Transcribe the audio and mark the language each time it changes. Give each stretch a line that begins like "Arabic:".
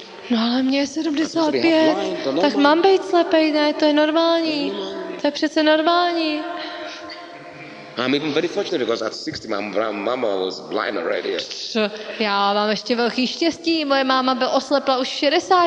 Czech: No ale mně je 75, tak mám být slepej, ne, to je normální. To je přece normální.
English: I'm even very fortunate because at 60 my mama was blind already.
Czech: Já mám ještě velký štěstí, moje máma byla oslepla už v 60.